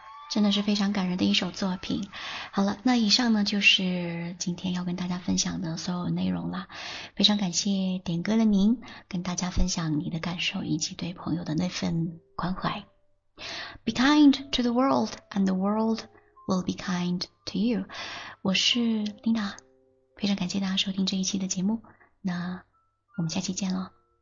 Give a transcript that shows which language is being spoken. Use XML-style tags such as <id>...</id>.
<zh>真的是非常感人的一首作品。好了，那以上呢就是今天要跟大家分享的所有内容了。非常感谢点歌的您，跟大家分享你的感受以及对朋友的那份关怀。</zh> <en>Be kind to the world, and the world will be kind to you.</en> <zh>我是 Lina， 非常感谢大家收听这一期的节目。那我们下期见了。</zh>